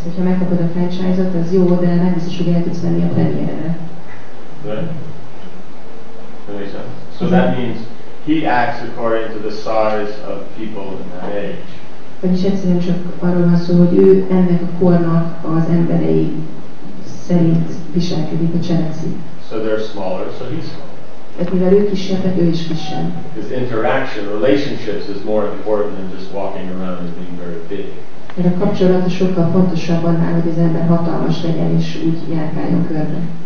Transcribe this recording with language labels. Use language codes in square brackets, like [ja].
[hu] Hogyha megkapod a franchise-ot, az jó, de nem biztos, hogy el tudsz venni a premiérre. [en] Right? So that means he acts according to the size of people in that age. [hu] Vagyis egyszerűen csak arról van szó, hogy ő ennek a kornak az emberei szerint viselkedik, a cselekszik. [en] So they're smaller, so he's smaller. [hu] Tehát mivel ő kisebbek, ő is kisebb. [en] His interaction, relationships is more important than just walking around and being very big. [hu] Mert a kapcsolata sokkal fontosabb annál, hogy az ember hatalmas legyen és úgy járkáljon körbe.